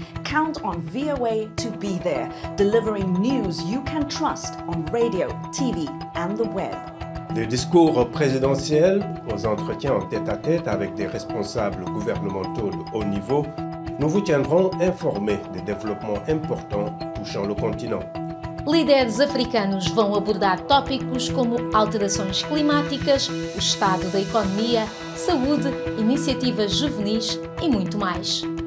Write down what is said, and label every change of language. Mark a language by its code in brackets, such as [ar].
[en] Count on VOA to be there, delivering news you can trust on radio, TV, and the web. [fr] De discours présidentiels aux entretiens en tête-à-tête avec des responsables gouvernementaux de haut niveau, nous vous tiendrons informés des développements importants touchant le continent. [pt] Líderes africanos vão abordar tópicos como alterações climáticas, o estado da economia, saúde, iniciativas juvenis e muito mais.